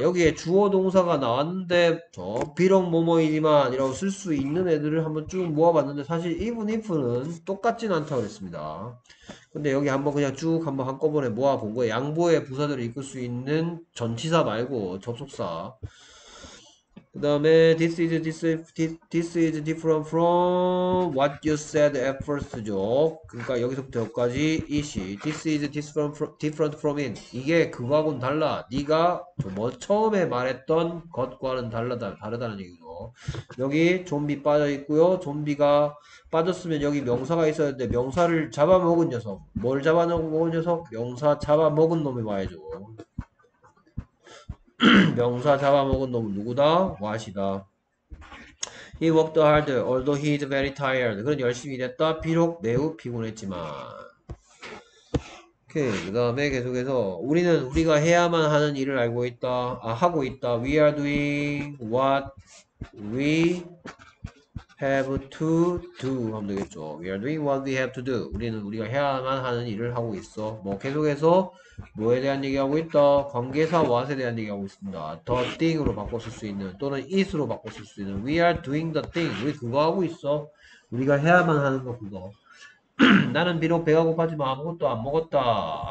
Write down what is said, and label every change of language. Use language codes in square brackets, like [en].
[ko] 여기에 주어 동사가 나왔는데, 비록 뭐뭐이지만 이라고 쓸수 있는 애들을 한번 쭉 모아봤는데, 사실 even if는 똑같진 않다고 그랬습니다. 근데 여기 한번 그냥 쭉 한번 한꺼번에 모아본 거예요. 양보의 부사들을 이끌 수 있는 전치사 말고 접속사. 그 다음에, [en] this is different from what you said at first죠. [ko] 그러니까 여기서부터 여기까지, is. [en] This is different from it. [ko] 이게 그거하고는 달라. 네가 뭐 처음에 말했던 것과는 다르다는 얘기죠. 여기 좀비 빠져있고요. 좀비가 빠졌으면 여기 명사가 있어야 되는데, 명사를 잡아먹은 녀석. 뭘 잡아먹은 녀석? 명사 잡아먹은 놈이 와야죠. 명사 잡아먹은 놈은 누구다? [en] 왓이다. He worked hard, although he is very tired. [ko] 그는 열심히 일했다. 비록 매우 피곤했지만. 오케이. 그 다음에 계속해서. 우리는 우리가 해야만 하는 일을 알고 있다. 아, 하고 있다. [en] We are doing what we have to do. [ko] 하면 되겠죠. [en] We are doing what we have to do. [ko] 우리는 우리가 해야만 하는 일을 하고 있어. 뭐 계속해서. 뭐에 대한 얘기하고 있다? 관계사 what에 대한 얘기하고 있습니다. The thing으로 바꿔 쓸수 있는 또는 is로 바꿔 쓸수 있는 [en] We are doing the thing. [ko] 우리 그거 하고 있어. 우리가 해야만 하는 거 그거. 나는 비록 배가 고파지만 아무것도 안 먹었다.